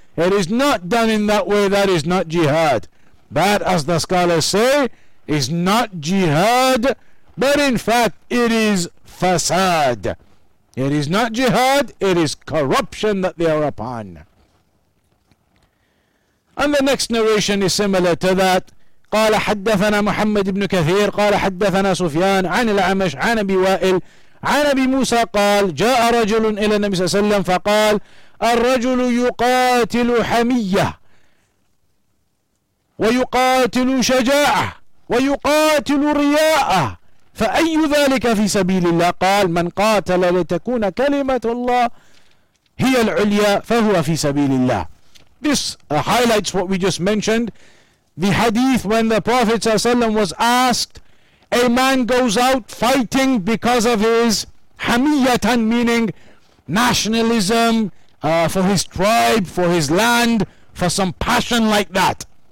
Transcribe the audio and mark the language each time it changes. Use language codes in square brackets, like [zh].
[en] It is not done in that way. That is not jihad. That, as the scholars say, is not jihad, but in fact it is fasad. It is not jihad, it is corruption that they are upon. And the next narration is similar to that. [ar] قال حدثنا محمد بن كثير قال حدثنا سفيان عن العمش عن أبي وائل عن أبي موسى قال جاء رجل إلى النبي صلى الله عليه وسلم فقال الرجل يقاتل حمية ويقاتل شجاعة ويقاتل رياء فأي ذلك في سبيل الله؟ قال من قاتل لتكون كلمة الله هي العليا فهو في سبيل الله. [en] This highlights what we just mentioned. The hadith when the Prophet ﷺ was asked, a man goes out fighting because of his hamiyatan, meaning nationalism, for his tribe, for his land, for some passion like that.